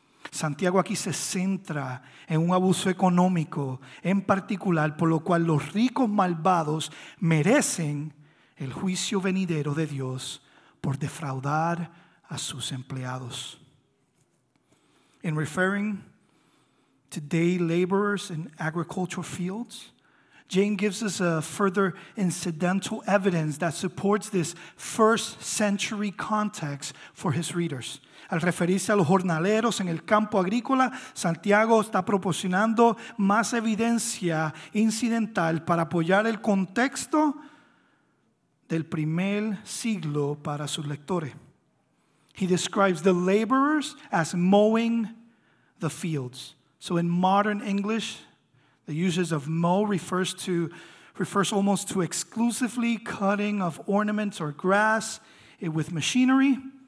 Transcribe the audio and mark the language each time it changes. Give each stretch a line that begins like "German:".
Spanish: Santiago aquí se centra en un abuso económico en particular, por lo cual los ricos malvados merecen el juicio venidero de Dios por defraudar a sus empleados.
English: In referring to day laborers in agricultural fields, James gives us a further incidental evidence that supports this first century context for his readers.
Spanish: Al referirse a los jornaleros en el campo agrícola, Santiago está proporcionando más evidencia incidental para apoyar el contexto del primer siglo para sus lectores.
English: He describes the laborers as mowing the fields. So in modern English, the usage of mow refers almost to exclusively cutting of ornaments or grass with machinery.